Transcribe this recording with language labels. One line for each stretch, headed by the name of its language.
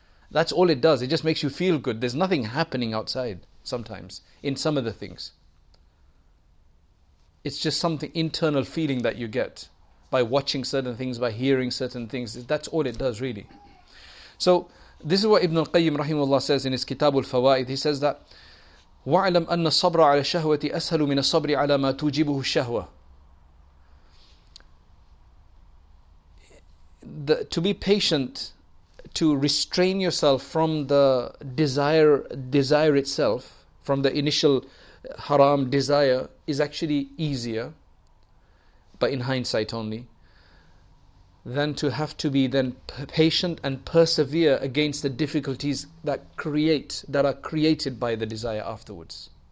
English: That's all it does. It just makes you feel good. There's nothing happening outside sometimes in some of the things. It's just something internal feeling that you get by watching certain things, by hearing certain things. That's all it does, really. So this is what Ibn al-Qayyim rahimahullah says in his Kitab al-Fawaid. He says that,
Arabic: وَعْلَمْ أَنَّ الصَّبْرَ عَلَى الشَّهْوَةِ أَسْهَلُ مِنَ الصَّبْرِ عَلَى مَا تُوجِبُهُ الشَّهْوَةِ.
English: To be patient, to restrain yourself from the desire itself, from the initial haram desire, is actually easier, but in hindsight only, than to have to be then patient and persevere against the difficulties that are created by the desire afterwards.